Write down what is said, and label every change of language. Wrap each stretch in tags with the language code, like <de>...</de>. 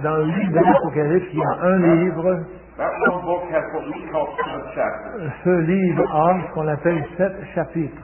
<fr>Dans le livre de l'Apocalypse, il y a un livre.</fr> <en>That one book has what we call seven chapters.</en> <fr>Ce livre a ce qu'on appelle sept chapitres.</fr>